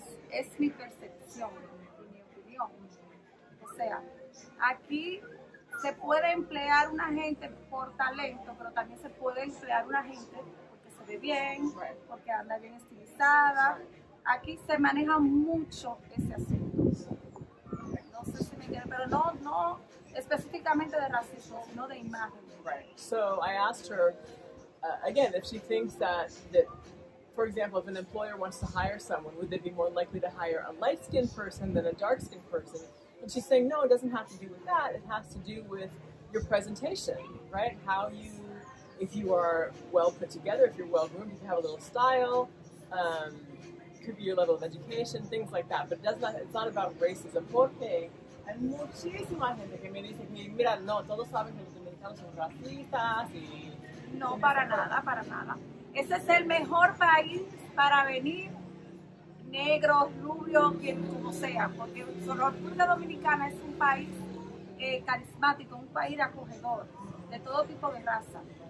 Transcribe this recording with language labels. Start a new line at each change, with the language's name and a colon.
Spanish: Es mi percepción, mi opinión. O sea, aquí se puede emplear una gente por talento, pero también se puede emplear una gente porque se ve bien, porque anda bien estilizada. Aquí se maneja mucho ese asunto. No sé si me entiendes, pero no específicamente de racismo, sino de imagen.
English: Right. So I asked her again if she thinks that, for example, if an employer wants to hire someone, would they be more likely to hire a light-skinned person than a dark-skinned person? And she's saying, no, it doesn't have to do with that. It has to do with your presentation, right? How you, if you are well put together, if you're well groomed, if you have a little style, could be your level of education, things like that. But it's not about racism. Porque
Spanish: hay muchísima gente que me dice que, mira, no, todos saben que los dominicanos son racistas. Y no, para nada. Ese es el mejor país para venir. Negro, rubio, quien como sea, porque la República Dominicana es un país carismático, un país acogedor de todo tipo de raza.